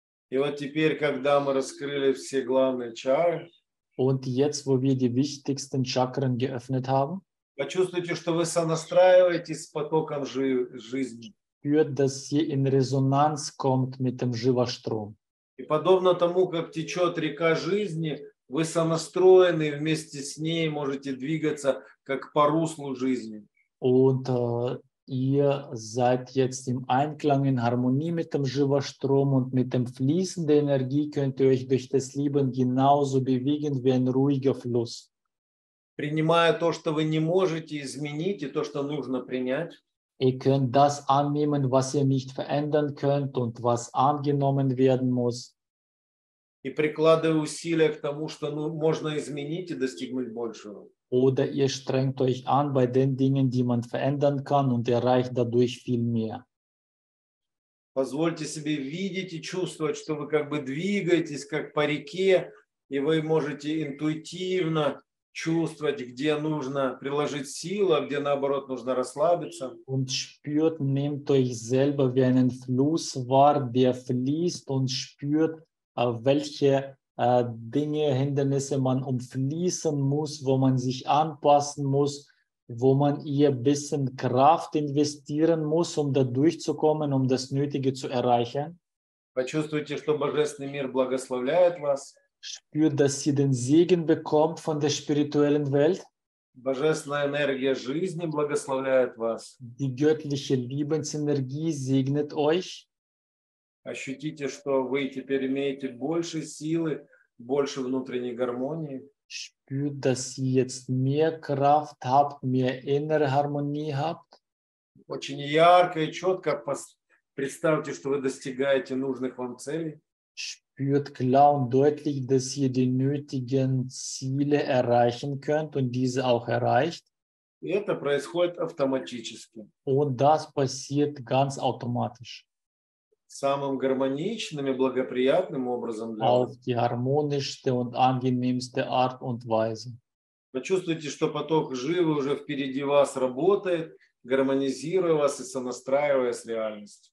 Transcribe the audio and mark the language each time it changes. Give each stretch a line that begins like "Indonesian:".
Russian: И вот теперь, когда мы раскрыли все главные чакры,
German: und jetzt, wo wir die wichtigsten Chakren geöffnet haben,
Russian: Почувствуйте, что вы сонастраиваетесь с потоком жизни.
German: Spürt, dass ihr in Resonanz kommt mit dem Живострom.
Russian: И подобно тому, как течет река жизни, вы сонастроены вместе с ней, можете двигаться как по руслу жизни.
German: Und ihr seid jetzt im Einklang, in Harmonie mit dem Живострom und mit dem Fließen der Energie könnt ihr euch durch das Leben genauso bewegen wie ein ruhiger Fluss.
Russian: Принимая то, что вы не можете изменить, и то, что нужно принять.
German: Ihr könnt das annehmen, was ihr nicht verändern könnt und was angenommen werden muss.
Russian: И прикладывая усилия к тому, что можно изменить и достигнуть большего.
German: Oder ihr strengt euch an bei den Dingen, die man verändern kann und erreicht dadurch viel mehr.
Russian: Позвольте себе видеть и чувствовать, что вы как бы двигаетесь, как по реке, и вы можете интуитивно чувствовать, где нужно приложить силу, а где наоборот нужно расслабиться.
German: Und spürt, nehmt euch selber wie einen Fluss wahr, der fließt und spürt, welche Dinge, Hindernisse man umfließen muss, wo man sich anpassen muss, wo man ihr ein bisschen Kraft investieren muss, um da durchzukommen, um das Nötige zu erreichen.
Russian: Почувствуйте, что Божественный мир благословляет вас.
German: Spürt, dass sie den Segen bekommt von der spirituellen Welt.
Russian: Божественная энергия жизни благословляет вас.
German: Die göttliche Lebensenergie segnet euch.
Russian: Ощутите, что вы теперь имеете больше силы, больше внутренней гармонии.
German: Spürt, dass sie jetzt mehr Kraft habt, mehr innere Harmonie habt.
Russian: Очень ярко и четко представьте, что вы достигаете нужных вам целей.
German: Spürt klar und deutlich, dass ihr die nötigen Ziele erreichen könnt und diese auch erreicht.
Russian: Это происходит автоматически.
German: Und das passiert ganz automatisch.
Russian: Самым гармоничным и благоприятным образом.
German: Auf die harmonischste und angenehmste Art und Weise.
Russian: Почувствуйте, что поток живы уже впереди вас работает, гармонизируя вас и сонастраивая с реальностью.